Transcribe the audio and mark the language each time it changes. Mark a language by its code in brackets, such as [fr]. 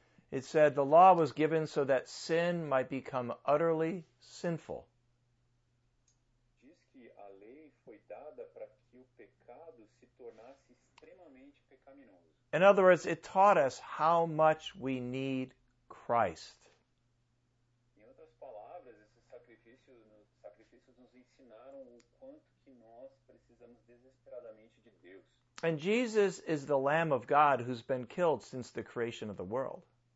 [en] It said the law was given so that sin might become utterly sinful. [pt] Diz que a lei foi dada para que o pecado se tornasse extremamente pecaminoso. [en] In other words, it taught us how much we need Christ. [pt] Em outras palavras, esses sacrifícios nos ensinaram o quanto que nós precisamos desesperadamente de Deus. [en] And Jesus is the Lamb of God who's been killed since the creation of the world.